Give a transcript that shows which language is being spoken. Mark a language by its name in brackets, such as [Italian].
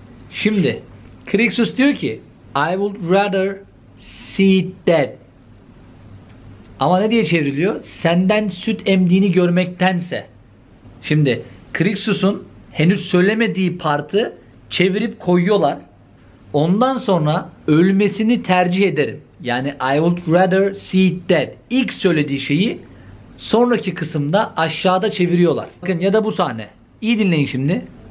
[Turkish] Şimdi Crixus diyor ki [English] I would rather see it dead. [Turkish] Ama ne diye çevriliyor? Senden süt emdiğini görmektense. Şimdi Crixus'un henüz söylemediği partı çevirip koyuyorlar. Ondan sonra ölmesini tercih ederim. Yani [English] I would rather see it dead. [Turkish] İlk söylediği şeyi sonraki kısımda aşağıda çeviriyorlar. Bakın ya da bu sahne. İyi dinleyin şimdi.